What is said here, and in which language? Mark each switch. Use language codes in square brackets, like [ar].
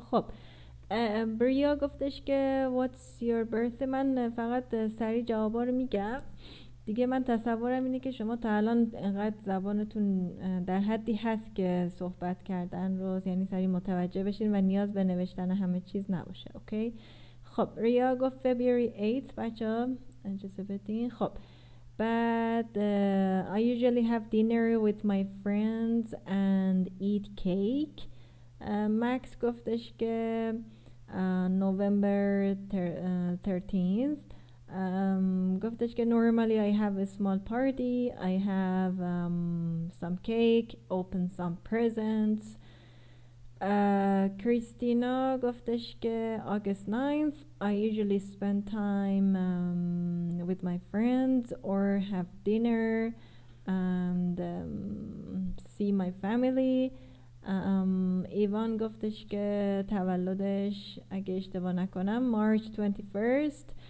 [fa] خب بریا گفتش که [en] What's your birthday؟ [fa] من فقط سری جوابا رو میگم. دیگه من تصورم اینه که شما تا الان انقدر زبانتون در حدی هست که صحبت کردن رو یعنی سریع متوجه بشین و نیاز به نوشتن همه چیز نباشه. اوکی خب ریا گفت February 8th بچه ها اجازه بدین. خب بعد [en] I usually have dinner with my friends and eat cake. Max [fa] گفتش که [en] November 13th گفتش که normally I have a small party, I have some cake, open some presents. Christina [fa] گفتش که [en] August 9th I usually spend time with my friends or have dinner and see my family. [fa] ایوان گفتش که تولدش اگه اشتباه نکنم March 21st.